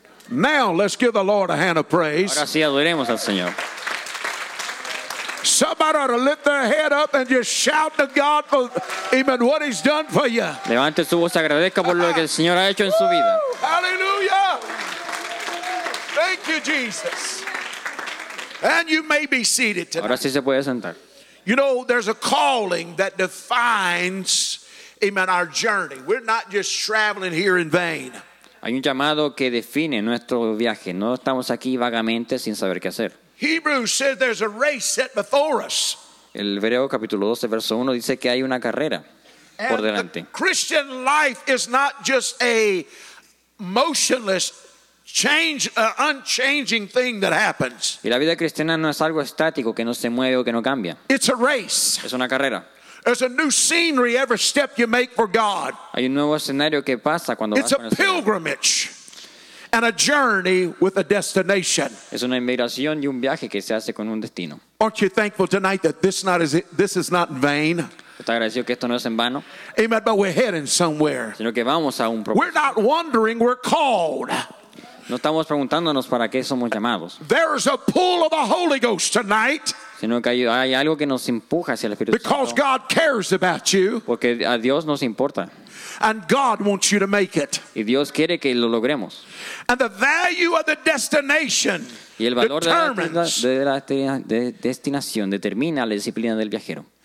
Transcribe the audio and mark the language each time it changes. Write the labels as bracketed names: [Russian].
[English] Now let's give the Lord a hand of praise. [Spanish] Ahora sí adoremos al Señor. [English] Somebody ought to lift their head up and just shout to God for even what He's done for you. [Spanish] Levante su voz y agradezca por lo que el Señor ha hecho en su vida. [English] Hallelujah. Thank you, Jesus. And you may be seated tonight. [Spanish] Ahora sí se puede sentar. [English] You know, there's a calling that defines, amen, our journey. We're not just traveling here in vain. [Spanish] Hay un llamado que define nuestro viaje. No estamos aquí vagamente sin saber qué hacer. [English] Hebrews says there's a race set before us. [Spanish] El Hebreo capítulo 12 verso 1 dice que hay una carrera por delante. [English] And the Christian life is not just a motionless change unchanging thing that happens. [Spanish] Y la vida cristiana no es algo estático que no se mueve o que no cambia. [English] It's a race. [Spanish] Es una carrera. [English] There's a new scenery every step you make for God. [Spanish] Hay un nuevo escenario que pasa cuando vas a conocer. [English] It's a pilgrimage and a journey with a destination. [Spanish] Es una inmigración y un viaje que se hace con un destino. [English] Aren't you thankful tonight that this is not in vain? [Spanish] Que esto no es en vano. [English] Amen. But we're heading somewhere. [Spanish] Sino que vamos a un propósito. [English] We're not wandering. We're called. [Spanish] No estamos preguntándonos para qué somos llamados. [English] There's a pull of the Holy Ghost tonight. [Spanish] Sino que hay algo que nos empuja hacia el Espíritu [English] Santo. Because God cares about you. [Spanish] Porque a Dios nos importa. [English] And God wants you to make it. [Spanish] Y Dios quiere que lo logremos. [English] And the value of the destination. [Spanish] Y el valor de la destinación determina la disciplina del viajero.